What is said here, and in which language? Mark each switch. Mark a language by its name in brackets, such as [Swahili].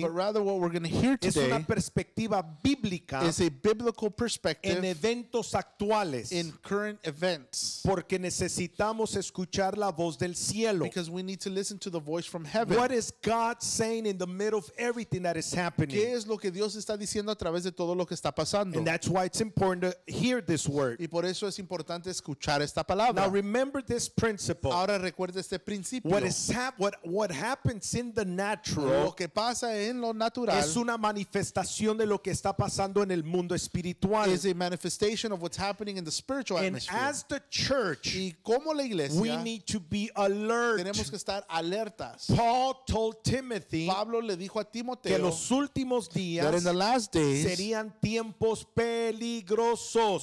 [English] but rather what we're going to hear today, [Spanish] es una perspectiva bíblica, [English] is a biblical perspective, [Spanish] en eventos actuales, [English] in current events, [Spanish] porque necesitamos escuchar la voz del cielo, [English] because we need to listen to the voice from heaven. What is God saying in the middle of everything that is happening? [Spanish] ¿Qué es lo que Dios está diciendo a través de todo lo que está pasando? [English] And that's why it's important to hear this word. [Spanish] Y por eso es importante escuchar esta palabra. [English] Now remember this principle. [Spanish] Ahora recuerda este principio. [English] What happens in the natural, [Spanish] lo que pasa en lo natural, es una manifestación de lo que está pasando en el mundo espiritual, [English] is a manifestation of what's happening in the spiritual and atmosphere. As the church, [Spanish] y como la iglesia, [English] we need to be alert. [Spanish] Tenemos que estar alertas. [English] Paul told Timothy, [Spanish] Pablo le dijo a Timoteo, que los últimos días, [English] that in the last days, [Spanish] serían tiempos peligrosos,